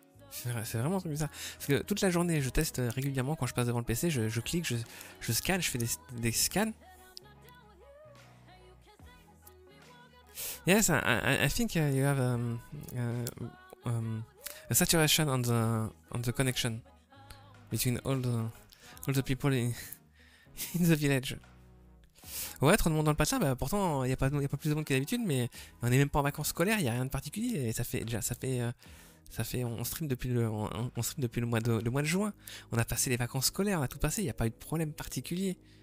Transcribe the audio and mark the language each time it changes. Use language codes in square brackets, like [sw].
[fr] C'est vraiment un truc bizarre. Parce que toute la journée, je teste régulièrement quand je passe devant le PC. Je clique, je scanne, je fais des scans. [en] Yes, I think you have a saturation on the connection between all the people in the village. [fr] Ouais, trop de monde dans le patelin. Bah, pourtant, il n'y a pas plus de monde que d'habitude, mais on n'est même pas en vacances scolaires, il n'y a rien de particulier. Et ça fait déjà. Ça fait, on stream depuis le mois de juin. On a passé les vacances scolaires, on a tout passé. Il n'y a pas eu de problème particulier.